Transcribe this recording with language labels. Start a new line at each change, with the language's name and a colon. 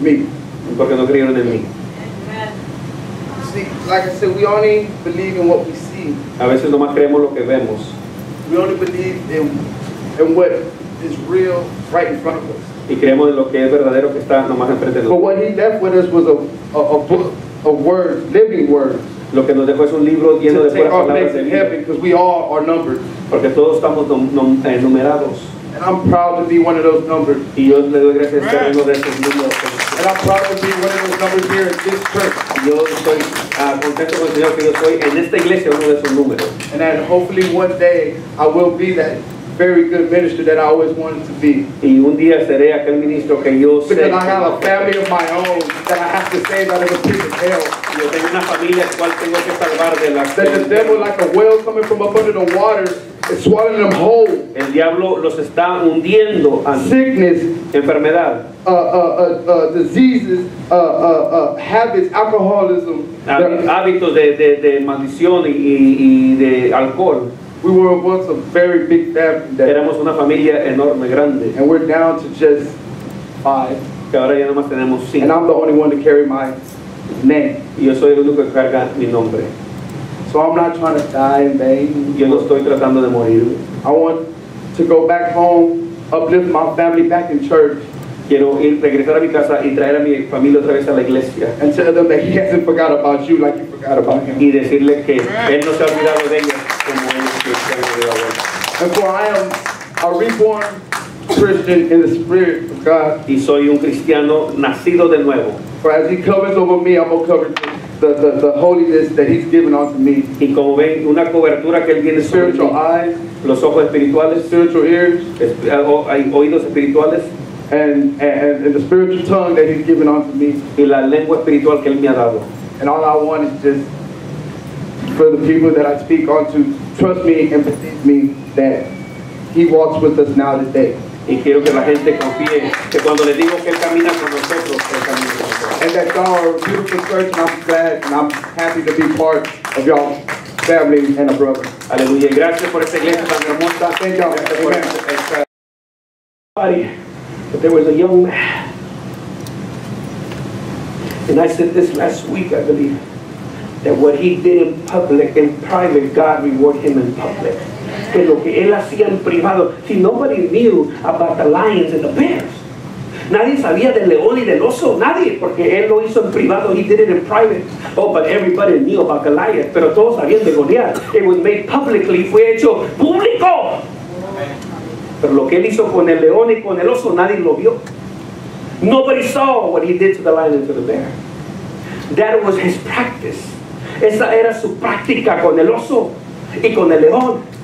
English: Me.
Spanish: Porque no creyeron en mí.
English: See, like I said, we only believe in what we see.
Spanish: A veces nomás creemos lo que vemos.
English: We only believe in what is real right in front of us.
Spanish: Y creemos en lo que es verdadero que está nomás enfrente de
English: nosotros. But what he left with us was a book, a word, living word.
Spanish: Lo que nos dejó es un libro lleno de puras palabras de vida.
English: Because we all are numbered.
Spanish: Porque todos estamos enumerados.
English: And I'm proud to be one of those numbered.
Spanish: Y yo le doy gracias a uno de esos números.
English: And I'm proud to be one of those numbers here at this church.
Spanish: Yo estoy contento con el Señor que yo soy en esta iglesia uno de esos números.
English: And that hopefully one day I will be that very good minister that I always wanted to be.
Spanish: Y un día seré aquel ministro que yo sé.
English: Because I have a family of my own that I have to save out of the pit of hell.
Spanish: Yo tengo una familia cual tengo que salvar de la.
English: That the devil, like a whale coming from up under the water, is swallowing them whole.
Spanish: El diablo los está hundiendo.
English: Sickness.
Spanish: Enfermedad.
English: Diseases, habits, alcoholism,
Spanish: hábitos de maldición y de alcohol.
English: We were once a very big family.
Spanish: Éramos una familia enorme, grande.
English: And we're down to just five.
Spanish: Que ahora ya nomás tenemos cinco.
English: And I'm the only one to carry my name.
Spanish: Y yo soy el único que carga mi nombre.
English: So I'm not trying to die in vain.
Spanish: Yo no estoy tratando de morir.
English: I want to go back home, uplift my family back in church.
Spanish: Quiero ir regresar a mi casa y traer a mi familia otra vez a la iglesia.
English: And tell them that he hasn't forgot about you like you forgot about him.
Spanish: Y decirle que él no se ha olvidado de ellos como él se ha olvidado de ellos.
English: And for I am a reborn Christian in the spirit of God.
Spanish: Y soy un cristiano nacido de nuevo.
English: For as he covers over me, I'm gonna cover the holiness that he's given unto me.
Spanish: Y como ven, una cobertura que él tiene sobre
English: mí. Spiritual eyes.
Spanish: Los ojos espirituales.
English: Spiritual ears.
Spanish: Oídos espirituales.
English: And the spiritual tongue that he's given unto me.
Spanish: Y la lengua espiritual que él me ha dado.
English: And all I want is just for the people that I speak unto, trust me and believe me that he walks with us now today.
Spanish: Y quiero que la gente confíe que cuando le digo que él camina con nosotros, él camina con nosotros.
English: And that y'all are a beautiful church, and I'm glad and I'm happy to be part of y'all's family and a brother.
Spanish: Aleluya. Gracias por esta iglesia tan hermosa.
English: Thank y'all. But there was a young man, and I said this last week, I believe, that what he did in public, in private, God reward him in public.
Spanish: Que lo que él hacía en privado,
English: see, nobody knew about the lions and the bears.
Spanish: Nadie sabía del león y del oso, nadie, porque él lo hizo en privado,
English: he did it in private. Oh, but everybody knew about Goliath,
Spanish: pero todos sabían de Goliath.
English: It was made publicly,
Spanish: fue hecho público. Pero lo que él hizo con el león y con el oso, nadie lo vio.
English: Nobody saw what he did to the lion and to the bear. That was his practice.
Spanish: Esa era su práctica con el oso y con el león.